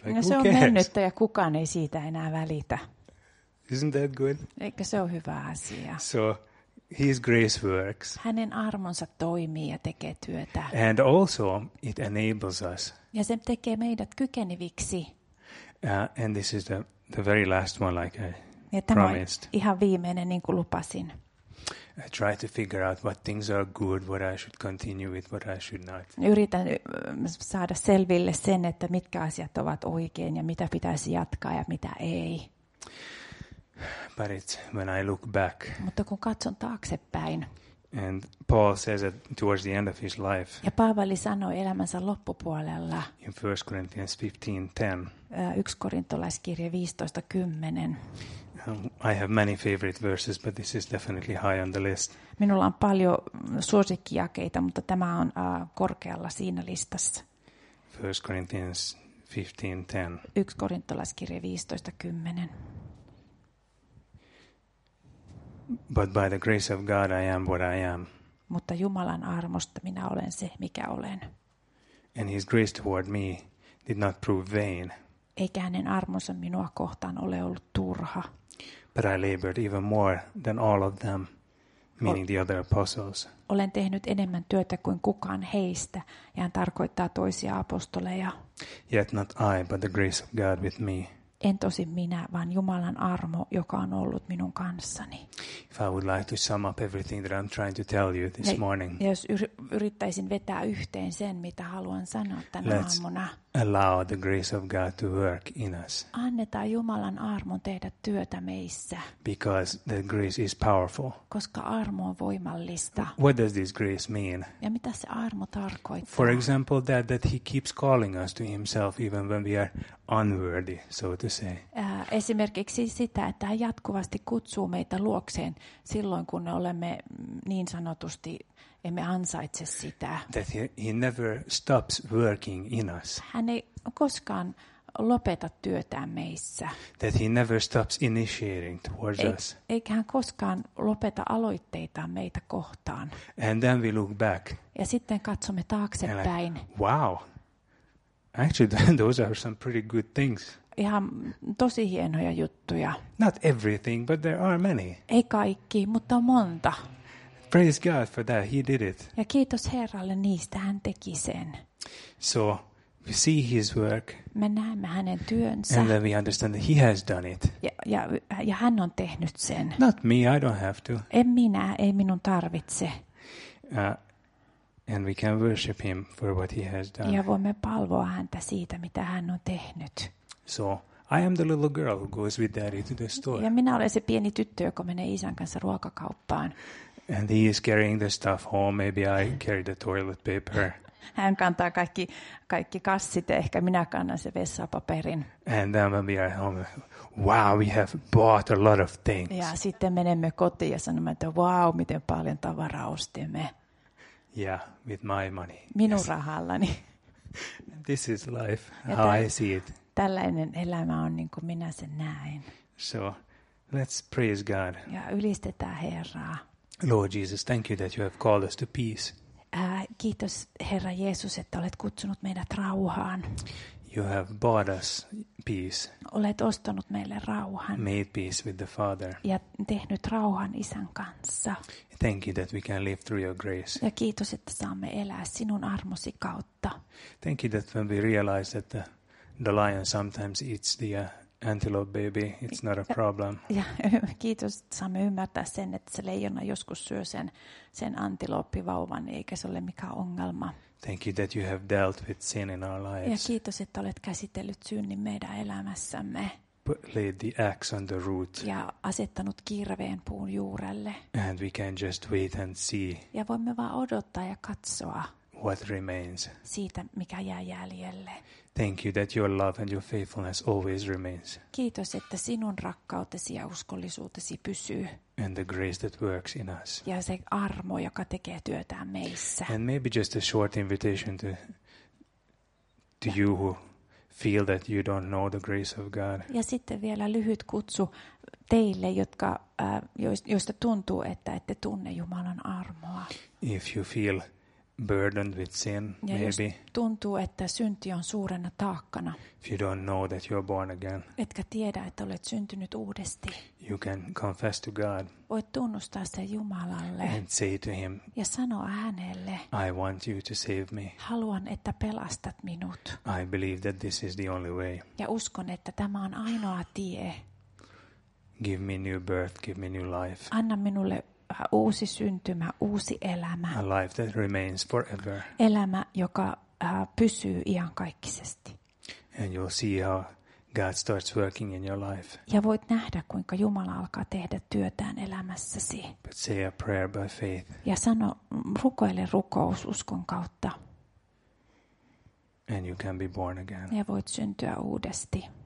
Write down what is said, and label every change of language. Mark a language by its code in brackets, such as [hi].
[fi] Like, no, se on mennyt ja kukaan ei siitä enää välitä. [en] Isn't that good? [fi] Eikö se ole hyvä asia? [en] So, his grace works. [fi] Hänen armonsa toimii ja tekee työtä. [en] And also it enables us. [fi] Ja se tekee meidät kykeneviksi. [en] And this is the very last one, like I promised. [fi] Ihan viimeinen, niin kuin lupasin. [en] I try to figure out what things are good, what I should continue with, what I should not. [fi] Yritän saada selville sen, että mitkä asiat ovat oikein ja mitä pitäisi jatkaa ja mitä ei. [en] But it's when I look back. [fi] Mutta kun katson taaksepäin. [en] And Paul says it towards the end of his life. [fi] Ja Paavali sanoi elämänsä loppupuolella. [en] In 1 Corinthians 15:10. [fi] 1 Korintolaiskirje 15:10. [en] I have many favorite verses, but this is definitely high on the list. [fi] Minulla on paljon suosikkijakeita, mutta tämä on korkealla siinä listassa. [en] 1 Corinthians 15:10. [fi] 1 Korintolaiskirje 15:10. [en] But by the grace of God I am what I am. [fi] Mutta Jumalan armosta minä olen se mikä olen. [en] And his grace toward me did not prove vain. [fi] Eikä hänen armonsa minua kohtaan ole ollut turha. [en] But I labored even more than all of them, meaning the other apostles. [fi] Olen tehnyt enemmän työtä kuin kukaan heistä, ja hän tarkoittaa toisia apostoleja. [en] Yet not I, but the grace of God with me. [fi] En tosi minä, vaan Jumalan armo, joka on ollut minun kanssani. [en] If I would like to sum up everything that I'm trying to tell you this morning. [fi] Jos yrittäisin vetää yhteen sen, mitä haluan sanoa tänä aamuna. [en] Allow the grace of God to work in us. [fi] Annetaan Jumalan armon tehdä työtä meissä. [en] Because the grace is powerful. [fi] Koska armo on voimallista. [en] What does this grace mean? [fi] Ja mitä se armo tarkoittaa? [en] For example, that he keeps calling us to himself even when we are unworthy, so to say. [fi] Esimerkiksi sitä, että hän jatkuvasti kutsuu meitä luokseen silloin, kun me olemme niin sanotusti emme ansaitse sitä. [en] That he never stops working in us. [fi] Hän ei koskaan lopeta työtään meissä. [en] That he never stops initiating towards us. [fi] Eikä hän koskaan lopeta aloitteita meitä kohtaan. [en] And then we look back. [fi] Ja sitten katsomme taaksepäin. [en] Wow. Actually, those are some pretty good things. [fi] Ihan tosi hienoja juttuja. [en] Not everything, but there are many. [fi] Ei kaikki, mutta on monta. [en] Praise God for that. He did it. [fi] Ja kiitos Herralle niistä, hän teki sen. [en] So we see his work. [fi] Me näemme hänen työnsä. [en] And then we understand that he has done it. [fi] Ja hän on tehnyt sen. [en] Not me, I don't have to. [fi] En minä, ei minun tarvitse. [en] And we can worship him for what he has done. [fi] Ja voimme palvoa häntä siitä, mitä hän on tehnyt. [en] So I am the little girl who goes with daddy to the store. [fi] Ja minä olen se pieni tyttö, joka menee isän kanssa ruokakauppaan. [en] And he is carrying the stuff home. Maybe I carry the toilet paper. [fi] Hän kantaa kaikki kassit, ehkä minä kannan se vessapaperin. [en] And then when we are home, wow, we have bought a lot of things. [fi] Ja sitten menemme kotiin ja sanomme, että wow, miten paljon tavaraa ostimme. [en] Yeah, with my money. [fi] Minun rahallani. [en] This is life, how I see it. [fi] Tällainen elämä on niin kuin minä sen näen. [en] So, let's praise God. [fi] Ja ylistetään Herraa. [en] Lord Jesus, thank you that you have called us to peace. [fi] Kiitos Herra Jeesus, että olet kutsunut meidät rauhaan. [en] You have bought us peace. [fi] Olet ostanut meille rauhan. [en] Made peace with the Father. [fi] Ja tehnyt rauhan Isän kanssa. [en] Thank you that we can live through your grace. [fi] Ja kiitos, että saamme elää sinun armosi kautta. [en] Thank you that when we realize that the lion sometimes eats the antelope baby, it's not a problem. [fi] Ja kiitos, että saamme ymmärtää sen, että se leijona joskus syö sen antilooppivauvan, eikä se ole mikään ongelma. [en] Thank you that you have dealt with sin in our lives. [fi] Ja kiitos, että olet käsitellyt synnin meidän elämässämme. [en] Laid the axe on the root. [fi] Ja asettanut kirveen puun juurelle. [en] And we can just wait and see. [fi] Ja voimme vaan odottaa ja katsoa. [en] What remains? [fi] Siitä, mikä jää jäljelle. [en] Thank you that your love and your faithfulness always remains. [fi] Kiitos, että sinun rakkautesi ja uskollisuutesi pysyy. [en] And the grace that works in us. [fi] Ja se armo, joka tekee työtä meissä. [en] And maybe just a short invitation to you who feel that you don't know the grace of God. [fi] Ja sitten vielä lyhyt kutsu teille, jotka joista tuntuu, että ette tunne Jumalan armoa. [en] If you feel burdened with sin, [fi] ja [en] maybe. [fi] Tuntuu, että synti on suurena taakkana. [en] If you don't know that you're born again. [fi] Etkä tiedä, että olet syntynyt uudesti. [en] You can confess to God. [fi] Voit tunnustaa sen Jumalalle. [en] And say to him. [fi] Ja sanoa hänelle. [en] I want you to save me. [fi] Haluan, että pelastat minut. [en] I believe that this is the only way. [fi] Ja uskon, että tämä on ainoa tie. [en] Give me new birth, give me new life. [fi] Anna minulle uusi syntymä, uusi elämä. [en] A life that remains forever. [fi] Elämä, joka pysyy iankaikkisesti. [en] And you'll see how God starts working in your life. [fi] Ja voit nähdä, kuinka Jumala alkaa tehdä työtään elämässäsi. [en] But say a prayer by faith. [fi] Ja sano, rukoile rukous uskon kautta. [en] And you can be born again. [fi] Ja voit syntyä uudesti.